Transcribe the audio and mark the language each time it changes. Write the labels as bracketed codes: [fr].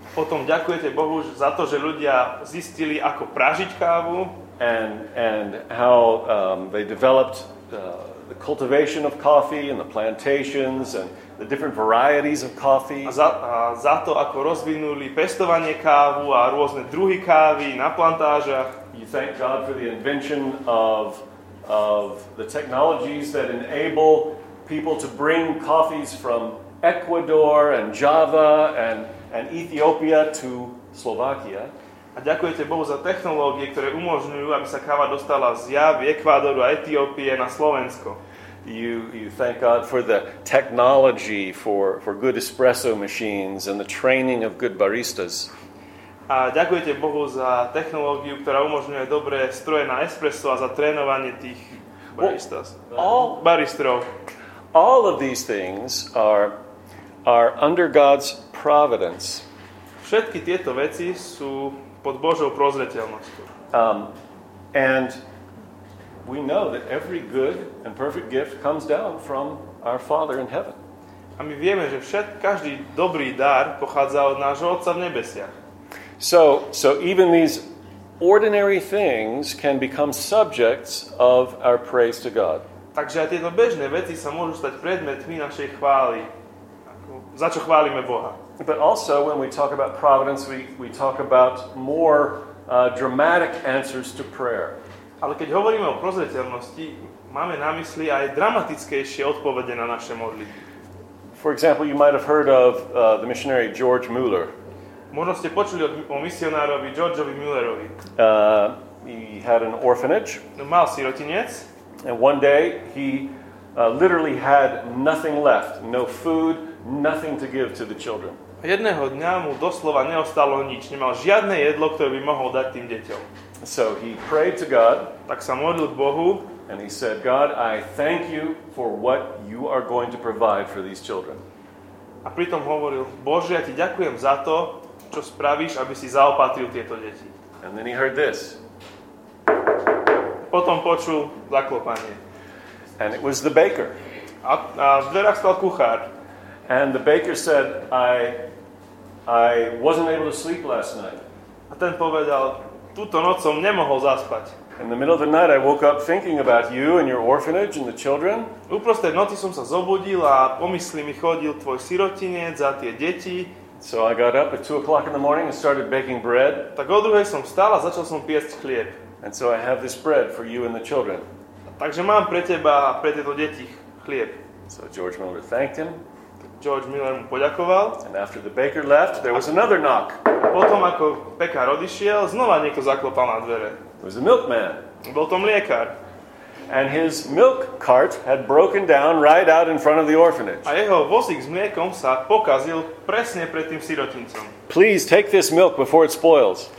[sk] Potom ďakujete Bohu za to, že ľudia zistili, ako pražiť kávu. [en] And how they developed the cultivation of coffee and the plantations and the different varieties of coffee. [sk] A za to, ako rozvinuli pestovanie kávu a rôzne druhy kávy na plantážach. [en] You thank God for the invention of the technologies that enable people to bring coffees from Ecuador and Java and Ethiopia to Slovakia. [sk] A ďakujete Bohu za technológie, ktoré umožňujú, aby sa káva dostala z Javy, Ekvádoru a Etiópie na Slovensko. [en] You thank God for the technology for good espresso machines and the training of good baristas. [sk] A ďakujete Bohu za technológiu, ktorá umožňuje dobré stroje na espresso a za trénovanie tých baristas. Baristrov. [en] All of these things are under God's providence. [sk] Všetky tieto veci sú pod Božou prozreteľnosťou. [en] And we know that every good and perfect gift comes down from our Father in heaven. [sk] A my vieme, že každý dobrý dar pochádza od nášho Otca v nebesiach. [en] So even these ordinary things can become subjects of our praise to God. [sk] Takže aj tieto bežné veci sa môžu stať predmetmi našej chvály, za čo chválime Boha. [en] But also when we talk about providence, we talk about more dramatic answers to prayer. [sk] Ale keď hovoríme o prozreteľnosti, máme na mysli aj dramatickejšie odpovede na naše modlitby. [en] For example, you might have heard of the missionary George Mueller. [sk] Možno ste počuli o misionárovi Georgeovi Müllerovi. [en] He had an orphanage. [sk] Mal sirotinec. [en] And one day he literally had nothing left, no food, nothing to give to the children. [sk] Jedného dňa mu doslova neostalo nič, nemal žiadne jedlo, ktoré by mohol dať tým deťom. [en] So he prayed to God, [sk] tak sa modlil k Bohu, [en] and he said, God, I thank you for what you are going to provide for these children. [sk] A pritom hovoril, Bože, ja ti ďakujem za to, čo spravíš, aby si zaopatril tieto deti. [en] And then he heard this. [sk] Potom počul zaklopanie. [en] And it was the baker. [sk] A v dverách stal kuchár. [en] And the baker said, I wasn't able to sleep last night. [sk] A ten povedal, túto noc som nemohol zaspať. [en] In the middle of the night I woke up thinking about you and your orphanage and the children. [sk] Uprostred noci som sa zobudil a pomysly mi chodil tvoj sirotinec a tie deti. [en] So I got up at 2:00 in the morning and started baking bread. [sk] Tak o druhej som vstal a začal som piecť chlieb. [en] And so I have this bread for you and the children. [sk] Takže mám pre teba a pre tieto deti chlieb. [en] So George Miller thanked him. [sk] George Miller mu poďakoval. [en] And after the baker left, there was another knock. [sk] Potom, ako pekár odišiel, znova niekto zaklopal na dvere. [en] It was a milkman. [sk] Bol to mliekár. [en] And his milk cart had broken down right out in front of the orphanage. [sk] A jeho vozík s mliekom sa pokazil presne pred tým sirotincom. [en] Please take this milk before it spoils.